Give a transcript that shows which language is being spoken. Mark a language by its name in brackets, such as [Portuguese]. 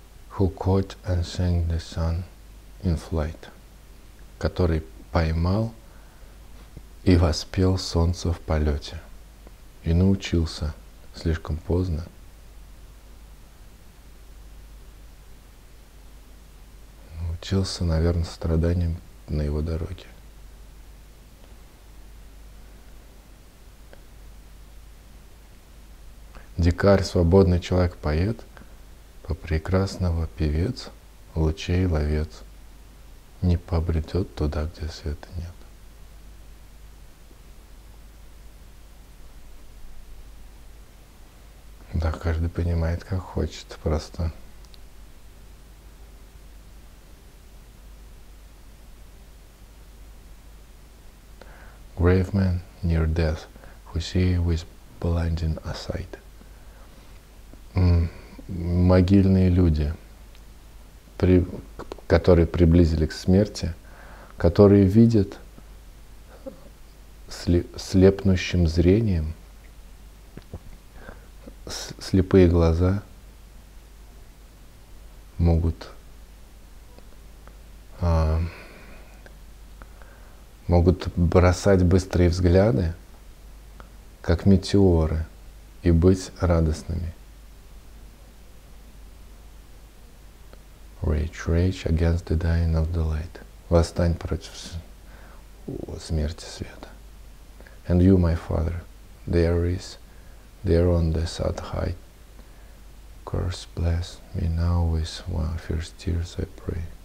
[English] Who caught and sang the sun in flight. [Russian] Который поймал и воспел солнце в полете. И научился слишком поздно. Научился, наверное, страданиям на его дороге. Дикарь, свободный человек, поэт, по прекрасного певец, лучей ловец, не побредет туда, где света нет. Да, каждый понимает, как хочет, просто. [English] Grave man near death, who see with blinding eyesight. [Russian] Могильные люди, которые приблизили к смерти, которые видят слепнущим зрением. Слепые глаза могут бросать быстрые взгляды, как метеоры, и быть радостными. [English] Rage, rage against the dying of the light. [Russian] Восстань против смерти света. [English] And you, my father, there is. There on the sad height, curse bless me now with one fierce tears I pray.